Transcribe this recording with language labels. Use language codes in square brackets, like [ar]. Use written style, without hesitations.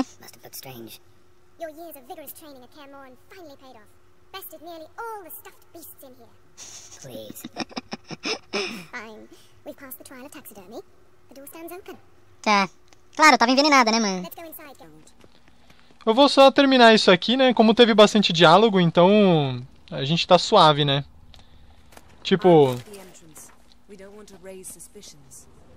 [en] Must have looked strange. Your years of vigorous training at Kaer Morhen finally paid off. Bested nearly all the stuffed beasts in here. Please. Fine. We've passed the trial of taxidermy. The door stands open. [pt] Tá. Claro, tava envenenada, né, mano? [en] Let's go inside, Gold. [pt] Eu vou só terminar isso aqui, né? Como teve bastante diálogo, então a gente tá suave, né? Tipo. [en] We don't want to raise suspicions.